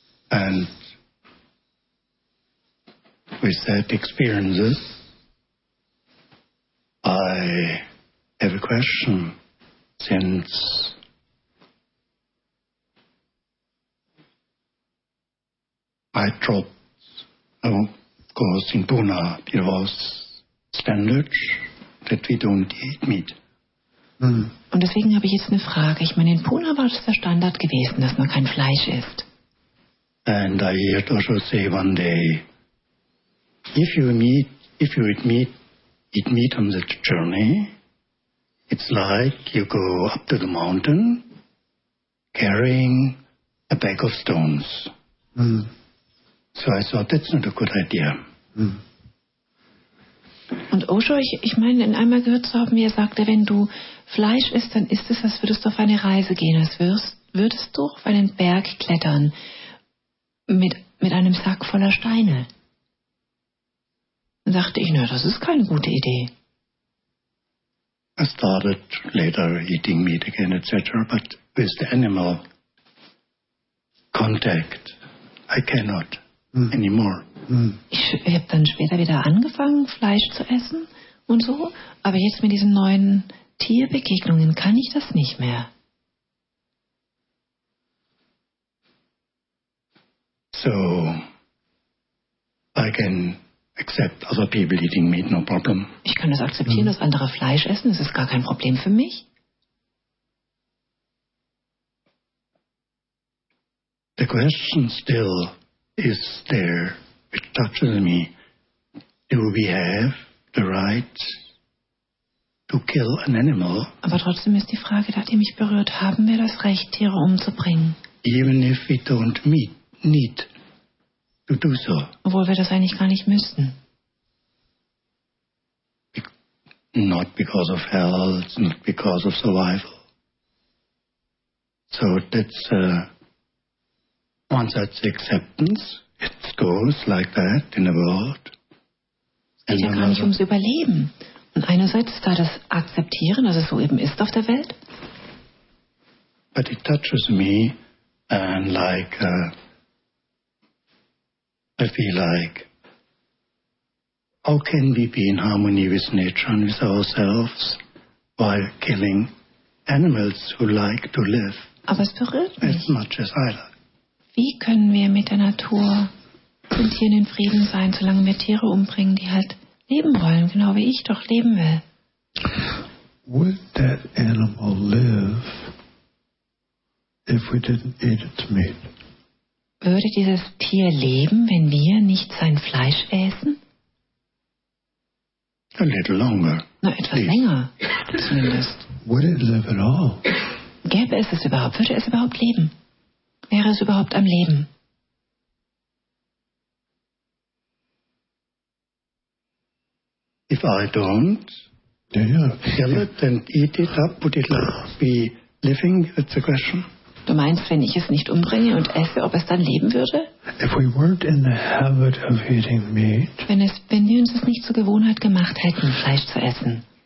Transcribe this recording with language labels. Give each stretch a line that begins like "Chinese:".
English: And with that experiences, I have a question since. I dropped, of course, in Pune, it was standard that we don't eat meat.
German: Mm. Und deswegen habe ich jetzt eine Frage. Ich meine, in Pune war es der Standard gewesen, dass man kein Fleisch isst.
English: And I heard also say one day, if you eat meat on the journey, it's like you go up to the mountain carrying a bag of stones. Mm. So I thought, that's not a good idea. Hmm.
German: Und Osho, ich meine, in einmal gehört zu haben, wie er sagte, wenn du Fleisch isst, dann ist es, als würdest du auf eine Reise gehen, als würdest du auf einen Berg klettern mit einem Sack voller Steine. Dann dachte ich, na, das ist keine gute Idee.
English: I started later eating meat again, etc., but with the animal contact, I cannot. Anymore.
German: Ich habe dann später wieder angefangen, Fleisch zu essen und so, aber jetzt mit diesen neuen Tierbegegnungen kann ich das nicht mehr.
English: So, I can accept other people eating meat, no problem.
German: Ich kann das akzeptieren, dass andere Fleisch essen, das ist gar kein Problem für mich.
English: The question still. Is there, it touches me, do we have the right to kill an animal?
German: Aber trotzdem ist die Frage, da die mich berührt, haben wir das Recht, Tiere umzubringen?
English: Even if we don't need to do so.
German: Obwohl wir das eigentlich gar nicht müssten.
English: Not because of health, not because of survival. So that's once that's acceptance, it goes like that in the world.
German: Es geht ja gar nicht ums Überleben. Und einerseits ist da das Akzeptieren, dass es so eben ist auf der Welt.
English: But it touches me and like I feel like how can we be in harmony with nature and with ourselves while killing animals who like to live?
German: Aber es berührt mich.
English: As much as I like.
German: Wie können wir mit der Natur und Tieren in Frieden sein, solange wir Tiere umbringen, die halt leben wollen, genau wie ich doch leben will?
English: Would that animal live if we didn't eat its meat?
German: Würde dieses Tier leben, wenn wir nicht sein Fleisch essen?
English: A little longer.
German: Na, etwas länger, zumindest.
English: Would it live at all?
German: Gäbe es es überhaupt? Würde es überhaupt leben? Wäre es überhaupt am Leben?
English: If I don't kill it and eat it up, would it be living? That's the question.
German: Du meinst, wenn ich es nicht umbringe und esse, ob es dann leben würde?
English: If we weren't in the habit of eating meat,
German: wenn wir uns es nicht zur Gewohnheit gemacht hätten, Fleisch zu essen,